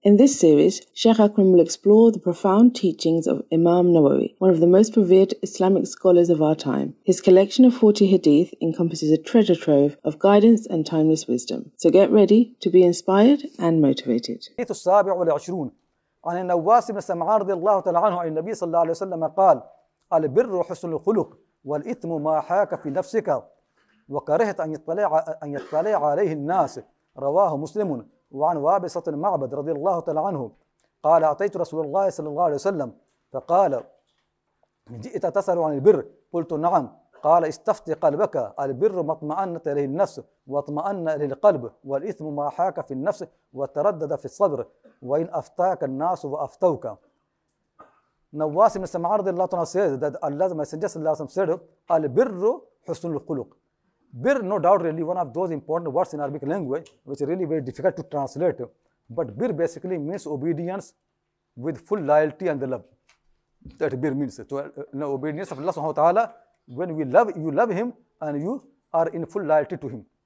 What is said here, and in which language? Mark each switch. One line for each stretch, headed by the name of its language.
English: In this series, Sheikh Akram will explore the profound teachings of Imam Nawawi, one of the most revered Islamic scholars of our time. His collection of 40 hadith encompasses a treasure trove of guidance and timeless wisdom. So get ready to be inspired and motivated. Hadith 27
Arabic: عن النواس بن سمعان رضي الله تعالى عنه عن النبي صلى الله عليه وسلم قال البر حسن الخلق والإثم ما حاك في نفسك وكرهت أن يطلع عليه الناس رواه مسلم وعن وابصة المعبد رضي الله تعالى عنه قال أتيت رسول الله صلى الله عليه وسلم فقال جئت تسأل عن البر قلت نعم قال استفت قلبك البر ما اطمأنت إليه النفس واطمأن إليه القلب والإثم ما حاك في النفس وتردد في الصدر وإن أفتاك الناس وأفتوك نواس بن سمعان رضي الله عنه
English: said that Allah's Messenger
Arabic: صلى الله عليه وسلم
English: said
Arabic: البر حسن الخلق.
English: Bir, no doubt, really one of those important words in Arabic language, which is really very difficult to translate. But bir basically means obedience with full loyalty and love. That bir means. So, obedience of Allah subhanahu wa ta'ala, when we love, you love him and you are in full loyalty to him.